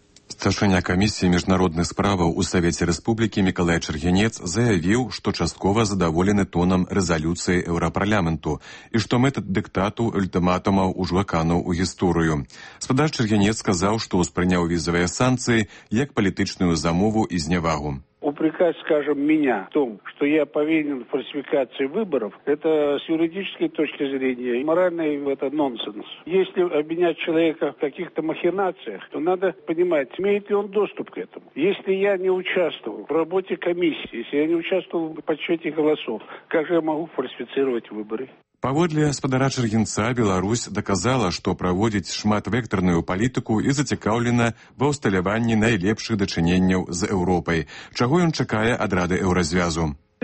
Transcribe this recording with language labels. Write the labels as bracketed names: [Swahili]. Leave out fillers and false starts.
[Belarusian] Старшыня камісіі міжнародных справаў у Савеце Рэспублікі Мікалай Чэргінец заявіў, што часткова задаволены тонам рэзалюцыі Еўрапарламенту і што метад дыктату ультыматумаў ужо кануў у гісторыю. Спадар Чэргінец сказаў, што ўспрыняў візавыя санкцыі як палітычную замову і зневагу. [Russian] Упрекать, скажем, меня в том, что я повинен в фальсификации выборов, это с юридической точки зрения моральный это нонсенс. Если обвинять человека в каких-то махинациях, то надо понимать, имеет ли он доступ к этому. Если я не участвовал в работе комиссии, если я не участвовал в подсчете голосов, как же я могу фальсифицировать выборы? [Belarusian] Паводле спадара Чэргінца, Беларусь даказала, што праводзіць шматвектарную палітыку і зацікаўлена ва ўсталяванні найлепшых дачыненняў з Еўропай. Чаго ён чакае ад рады еўразвязу?